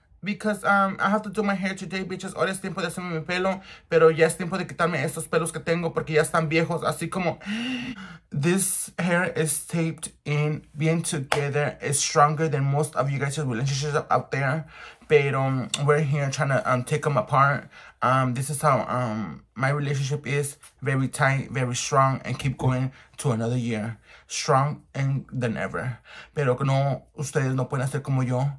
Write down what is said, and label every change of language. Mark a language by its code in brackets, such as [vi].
[en] Because I have to do my hair today, bitches. [es] Ahora es tiempo de hacerme mi pelo, pero ya es tiempo de quitarme estos pelos que tengo porque ya están viejos. Así como... [en] This hair is taped in. Being together is stronger than most of you guys' relationships out there. But we're here trying to take them apart. This is how my relationship is. Very tight, very strong, and keep going to another year. Strong and than ever. [es] Pero no, ustedes no pueden hacer como yo.